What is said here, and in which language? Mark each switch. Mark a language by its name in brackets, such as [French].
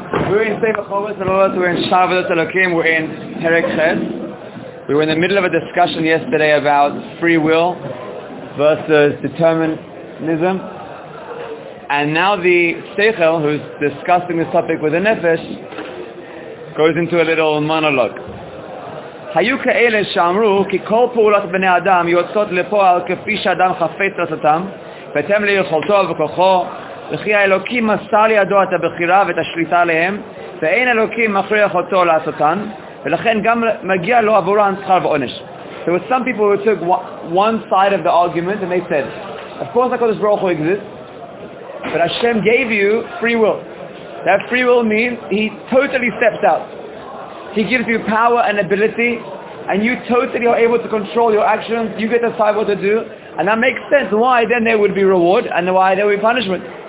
[English] We're in Sefer Chovos HaLevavot, we're in Shavuot Elokim, we're in Perek Ches. We were in the middle of a discussion yesterday about free will versus determinism. And now the Seichel, who's discussing this topic with the Nefesh, goes into a little monologue. [Hebrew] Hayu ke'ele shamru ki kol pu'ulat b'nei adam yotzot lepo'al kefi sh'adam chafet rasatam v'tem le'yicholto v'kocho וכי האלוקים מסר לידו את הבחירה ואת השליטה עליהם, ואין אלוקים מכריח אותו לעשותן, ולכן גם מגיע לו עבורן שכר ועונש. [English] There were some people who took one side of the argument and they said, of course HaKadosh Baruch Hu exists, but Hashem gave you free will. That free will means He totally steps out. He gives you power and ability, and you totally are able to control your actions, you get to decide what to do, and that makes sense why then there would be reward and why there would be punishment.